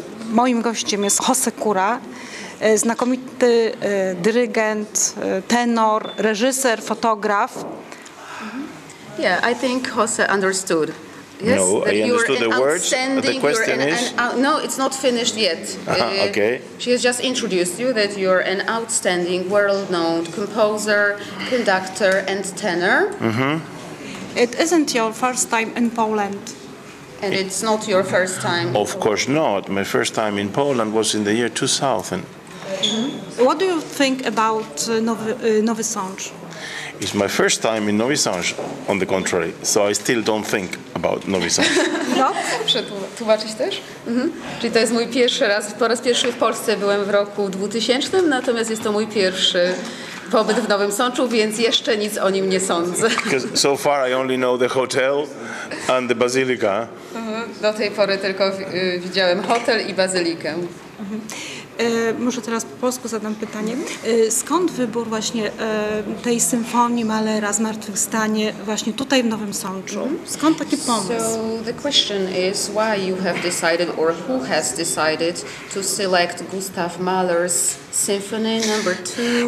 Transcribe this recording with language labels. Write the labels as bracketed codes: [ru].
[pl] Moim gościem jest Jose Cura, znakomity dyrygent, tenor, reżyser, fotograf. [en] Yeah, I think Jose understood. Yes, no, that I understood the words. The question is? No, it's not finished yet. Okay. She has just introduced you that you're an outstanding, world-known composer, conductor and tenor. Mm-hmm. It isn't your first time in Poland. And it's not your first time. Of course not. My first time in Poland was in the year 2000. Mm-hmm. What do you think about Nowy Sącz? It's my first time in Nowy Sącz, on the contrary. So I still don't think about Nowy Sącz. No? [pl] Przetłumaczyć też? Mhm. Czyli to jest mój pierwszy raz, po raz pierwszy w Polsce byłem w roku 2000, natomiast jest to mój pierwszy pobyt w Nowym Sączu, więc jeszcze nic o nim nie sądzę. [en] So far I only know the hotel and the basilica. [pl] Do tej pory tylko widziałem hotel i bazylikę. Może teraz po polsku zadam pytanie. Skąd wybór właśnie tej symfonii Mahlera Zmartwychwstanie właśnie tutaj w Nowym Sączu? Skąd taki pomysł? [en] So the question is why you have decided or who has decided to select Gustav Mahler's Symphony number 2?